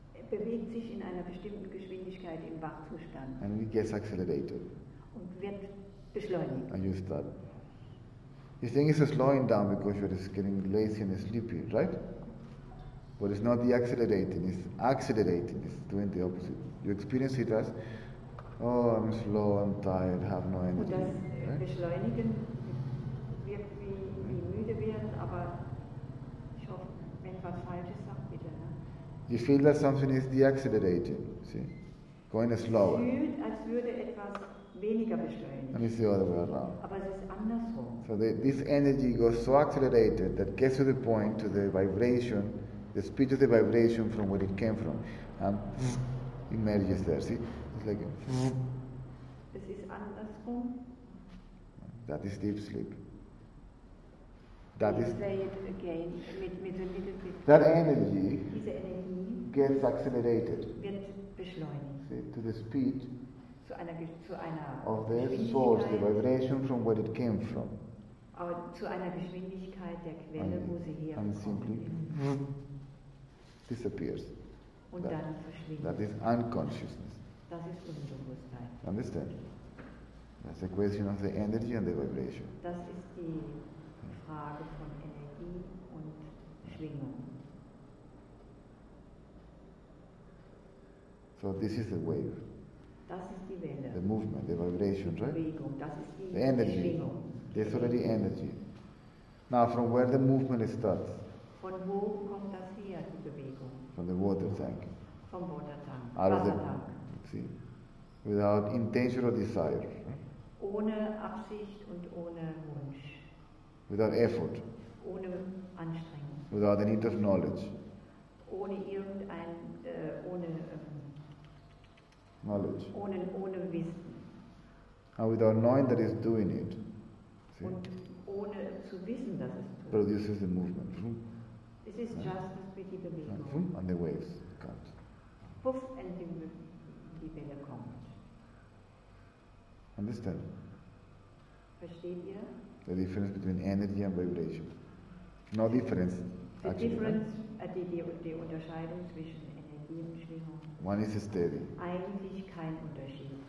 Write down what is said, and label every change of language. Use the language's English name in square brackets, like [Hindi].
[German] Bewegt sich in einer bestimmten Geschwindigkeit im Wachzustand. [English] And it gets accelerated. [German] Und wird beschleunigt. [English] And you start. You think it's slowing down because you're just getting lazy and sleepy, right? But it's not the accelerating, it's doing the opposite. You experience it as, oh, I'm slow, I'm tired, have no energy. [German] Und das right? Beschleunigen wirkt wie müde werden, aber ich hoffe, wenn was Falsches sagt, bitte. Ne? [English] You feel that something is deaccelerating, see? Going slower. [German] Fühlt, als würde etwas weniger beschleunigen. [English] And it's the other way around. [German] Aber es ist andersrum. [English] So this energy goes so accelerated that gets to the point, to the vibration, the speed of the vibration from where it came from, and emerges there, see? It's like [German] es ist andersrum. [English] That is deep sleep. That is say it again, with a little bit. That energy [German] diese Energie [English] gets accelerated. [German] Wird beschleunigt. [English] See, to the speed [German] zu einer [English] of the source, the vibration from where it came from. [German] Zu einer Geschwindigkeit der Quelle, wo sie herkommt. [English] And simply disappears. [German] Und that, dann verschwindet. [English] That is unconsciousness. [German] Das ist Unbewusstsein. [English] Understand? That's the question of the energy and the vibration. [German] Das ist die Frage von Energie und Schwingung. [English] So this is the wave. [German] Das ist die Welle. [English] The movement, the vibration, [German] die Bewegung, [English] right? [German] Das ist die energy. Schwingung. [English] There's already energy. Now, from where the movement starts? [German] Von wo kommt das hier, die Bewegung? [English] From the water tank. [German] Vom [English] water tank. Out of the tank. See? Without intention or desire. [German] Ohne Absicht und ohne Wunsch. [English] Without effort. [German] Ohne Anstrengung. [English] Without the need of knowledge. [German] Ohne irgendein, ohne... [English] knowledge. [German] Ohne Wissen. [English] And without knowing that it's doing it. [German] Und ohne zu wissen, dass es tut. [English] Produces the movement. This is just the speedy Bewegung. Vroom. And the waves come. [German] Puff, and die Welle kommt. [English] Understand? [German] Versteht ihr? [English] The difference between energy and vibration. No difference. The difference, [German] die Unterscheidung zwischen Energie und Schwingung. [English] One is steady. [German] Eigentlich kein Unterschied.